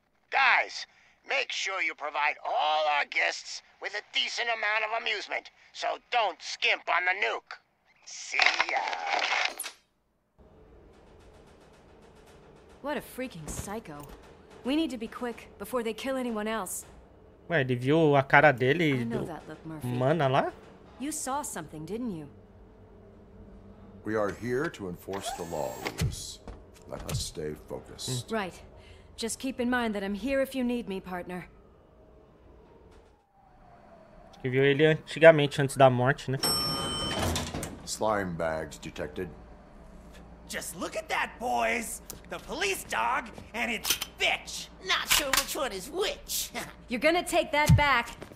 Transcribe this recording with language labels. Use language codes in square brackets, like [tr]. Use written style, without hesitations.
[en] Guys, make sure you provide all our guests with a decent amount of amusement, so don't skimp on the nuke. See ya. What a freaking psycho. We need to be quick before they kill anyone else. [pt] Ué, ele viu a cara dele do mana lá? [en] You saw something, didn't you? We are here to enforce the law, Lewis. Let us stay focused. Right. Just keep in mind that I'm here if you need me, partner. [pt] Acho que viu ele antigamente, antes da morte, né? [en] Slime bags detected. Just look at that, boys! The police dog and its bitch! Not sure which one is which. You're gonna take that back.